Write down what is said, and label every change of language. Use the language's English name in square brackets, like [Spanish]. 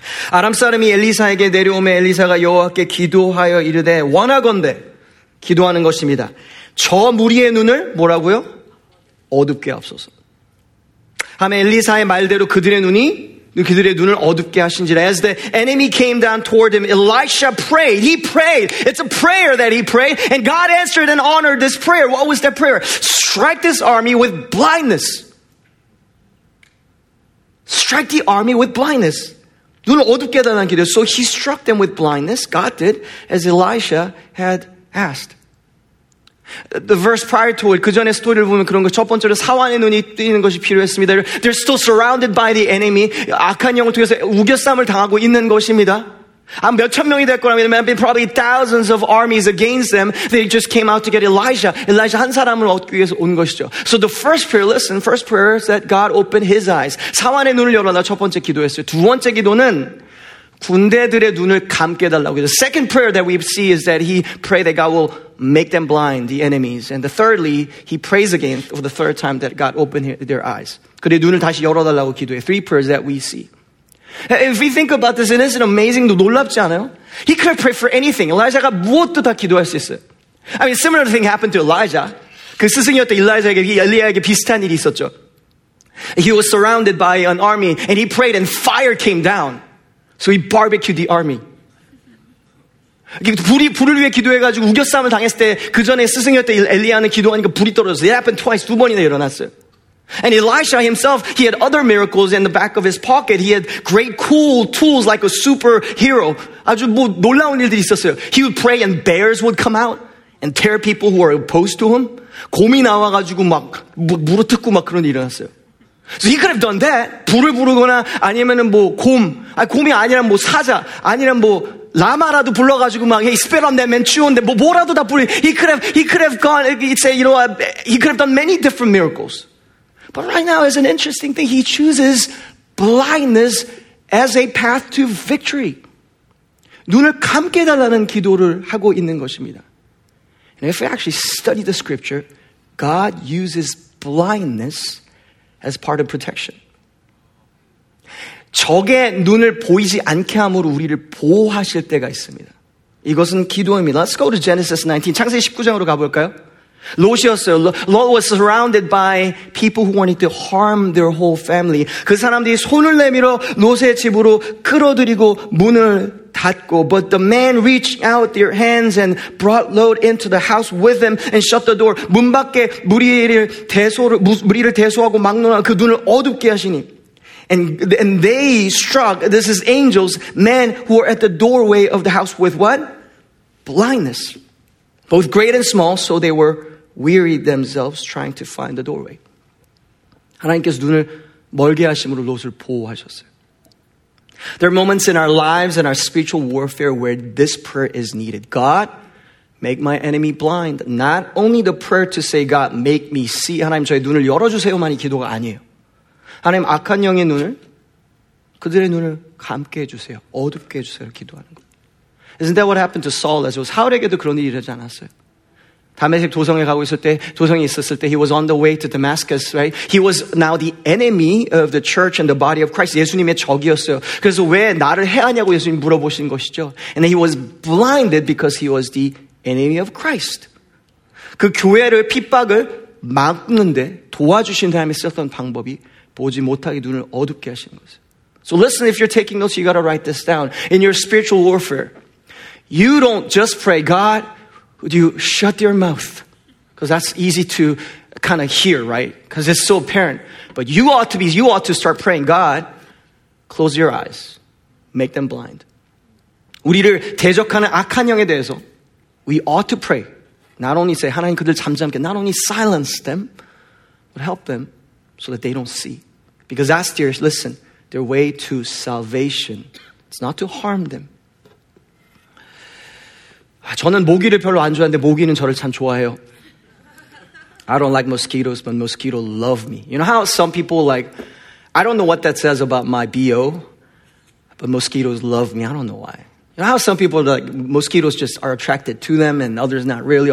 [Korean] 아람 사람이 엘리사에게 내려오매 엘리사가 여호와께 기도하여 이르되 원하건대 기도하는 것입니다. 저 무리의 눈을 뭐라고요? 어둡게 하옵소서. 하면 엘리사의 말대로 그들의 눈이 그들의 눈을 어둡게 하신지라. [English] As the enemy came down toward him, Elisha prayed. He prayed. It's a prayer that he prayed. And God answered and honored this prayer. What was that prayer? Strike this army with blindness. Strike the army with blindness. [Korean] 눈을 어둡게 하다는 기도. [English] So he struck them with blindness. God did as Elisha had asked. [Korean] The verse prior to it, 그 전에 스토리를 보면 그런 거. 첫 번째로 사환의 눈이 뜨이는 것이 필요했습니다. [English] They're still surrounded by the enemy. [Korean] 악한 영을 통해서 우겨쌈을 당하고 있는 것입니다. 아, 몇천 명이 될 거라 믿으면, probably thousands of armies against them. [English] They just came out to get Elijah. Elijah 한 사람을 얻기 위해서 온 것이죠. So the first prayer, listen, first prayer is that God opened his eyes. [Korean] 사환의 눈을 열어라. 첫 번째 기도했어요. 두 번째 기도는 군대들의 눈을 감게 해달라고. [English] The second prayer that we see is that he prayed that God will make them blind, the enemies. And the thirdly, he prays again for the third time that God opened their eyes. [Korean] 그들의 눈을 다시 열어달라고 기도해. [English] Three prayers that we see. If we think about this, isn't it amazing? 놀랍지 않아요? He could have prayed for anything. Elijah가 무엇도 다 기도할 수 있어요. I mean, similar thing happened to Elijah. [Korean] 그 스승이었던 Elijah에게, 엘리야에게 비슷한 일이 있었죠. [English] He was surrounded by an army and he prayed and fire came down. [Korean] So he barbecued the army. 불을 위해 기도해가지고 우겨쌈을 당했을 때 그 전에 스승이었던 엘리야는 기도하니까 불이 떨어졌어요. It happened twice. 두 번이나 일어났어요. [English] And Elisha himself, he had other miracles in the back of his pocket. He had great cool tools like a superhero. [Korean] 아주 뭐 놀라운 일들이 있었어요. [English] He would pray and bears would come out and tear people who are opposed to him. [Korean] 곰이 나와가지고 막 물어뜯고 막 그런 일이 일어났어요. So he could have done that. 불을 부르거나 아니면은 뭐 곰, 아니 곰이 아니라 뭐 사자, 아니라 뭐 라마라도 불러가지고 막 hey, spit on them and chew on them. 뭐 뭐라도 다 불러. [English] He could have done many different miracles. But right now is an interesting thing. He chooses blindness as a path to victory. [Korean] 눈을 감게 달라는 기도를 하고 있는 것입니다. [English] And if we actually study the scripture, God uses blindness as part of protection. [Korean] 적의 눈을 보이지 않게 함으로 우리를 보호하실 때가 있습니다. [English] 이것은 기도입니다. Let's go to Genesis 19. [Korean] 창세기 19장으로 가볼까요? [English] Lot was surrounded by people who wanted to harm their whole family. [Korean] 그 사람들이 손을 내밀어 롯의 집으로 끌어들이고 문을 닫고. [English] But the man reached out their hands and brought Lot into the house with them and shut the door. [Korean] 문 밖에 무리를 대소하고 막론하 그 눈을 어둡게 하시니. [English] And they struck, this is angels, men who were at the doorway of the house with what? Blindness. Both great and small, so they were wearied themselves trying to find the doorway. [Korean] 하나님께서 눈을 멀게 하심으로 롯을 보호하셨어요. [English] There are moments in our lives and our spiritual warfare where this prayer is needed. God, make my enemy blind. Not only the prayer to say, God, make me see. [Korean] 하나님 저의 눈을 열어주세요만이 기도가 아니에요. 하나님 악한 영의 눈을 그들의 눈을 감게 해주세요. 어둡게 해주세요. 기도하는 거. [English] Isn't that what happened to Saul as it was? [Korean] 사울에게도 그런 일이 일어나지 않았어요. 다메섹 도성에 가고 있을 때, 도성에 있었을 때, he was on the way to Damascus, right? [English] He was now the enemy of the church and the body of Christ. [Korean] 예수님의 적이었어요. 그래서 왜 나를 해하냐고 예수님 물어보신 것이죠. [English] And then he was blinded because he was the enemy of Christ. [Korean] 그 교회를 핍박을 막는데 도와주신 사람이 썼던 방법이 보지 못하게 눈을 어둡게 하시는 거죠. [English] So listen, if you're taking notes, you gotta write this down. In your spiritual warfare, you don't just pray, God, would you shut your mouth? Because that's easy to kind of hear, right? Because it's so apparent. But you ought to start praying, God, close your eyes. Make them blind. 우리를 대적하는 악한 영에 대해서, we ought to pray. Not only say, 하나님 그들 잠잠게, not only silence them, but help them so that they don't see. Because that's their, listen, their way to salvation. It's not to harm them. [Korean] 저는 모기를 별로 안 좋아하는데 모기는 저를 참 좋아해요. [English] I don't like mosquitoes, but mosquitoes love me. You know how some people like, I don't know what that says about my BO, but mosquitoes love me. I don't know why. You know how some people are like mosquitoes just are attracted to them and others not really.